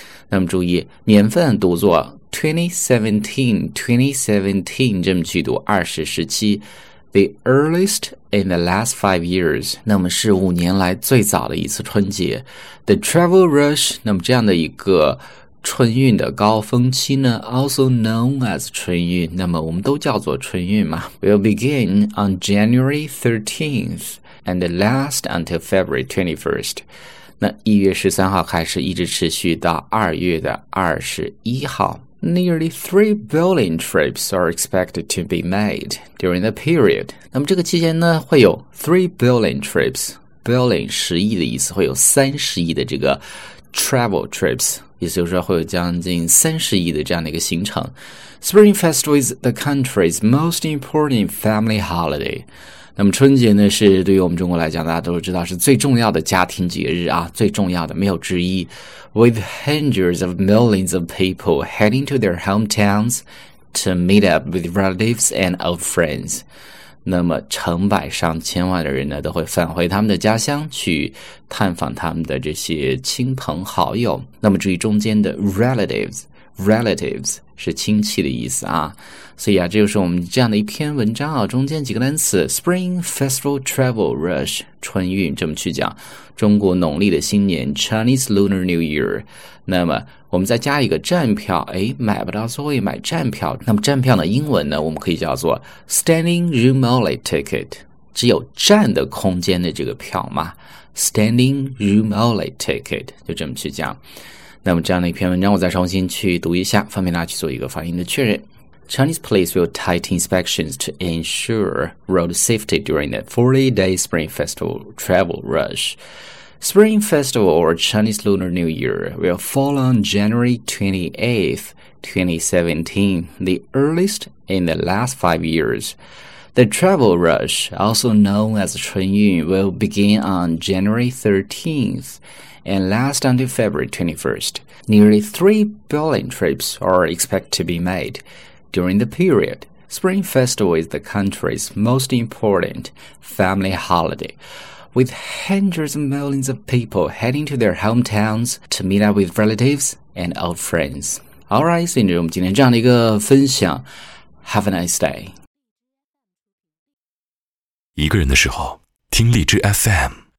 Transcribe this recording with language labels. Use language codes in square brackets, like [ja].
[zh] 那么注意年份读作 2017，2017 这么去读，2017。 [en] The earliest in the last 5 years， [zh] 那么是5年来最早的一次春节。 [en] The travel rush， [zh] 那么这样的一个春运的高峰期呢， [en] also known as [zh] 春运，那么我们都叫做春运嘛。 [en] Will begin on January 13th and last until February 21st。 [zh] 那1月13号开始，一直持续到2月21号。 [en] Nearly 3 billion trips are expected to be made during the period。 [zh] 那么这个期间呢，会有3 billion trips，billion 10亿的意思，会有30亿的这个 travel trips。也就是说，会有将近30亿的这样的一个行程。 [en] Spring Festival is the country's most important family holiday。 [zh] 那么春节呢，是对于我们中国来讲，大家都知道是最重要的家庭节日啊，最重要的没有之一。 [en] With hundreds of millions of people heading to their hometowns to meet up with relatives and old friends。 [zh] 那么成百上千万的人呢，都会返回他们的家乡去探访他们的这些亲朋好友。那么注意中间的 relatives 是亲戚的意思啊。所以啊，这就是我们这样的一篇文章啊，中间几个单词：Spring Festival Travel Rush 春运这么去讲，中国农历的新年 Chinese Lunar New Year。那么我们再加一个站票，哎，买不到座位，买站票。那么站票的英文呢，我们可以叫做 standing room only ticket，只有站的空间的这个票嘛，standing room only ticket，就这么去讲。那么这样的一篇文章，我再重新去读一下，方便大家去做一个发音的确认。 [en] Chinese police will tighten inspections to ensure road safety during the 40-day Spring Festival travel rush. Spring Festival or Chinese Lunar New Year will fall on January 28th, 2017, the earliest in the last 5 years. The travel rush, also known as 春运, will begin on January 13th and last until February 21st. Nearly 3 billion trips are expected to be made during the period. Spring Festival is the country's most important family holiday. With hundreds of millions of people heading to their hometowns to meet up with relatives and old friends. All right, [zh] 所以我们今天这样的一个分享。 [en] Have a nice day. [zh] 一个人的时候，听荔枝 FM。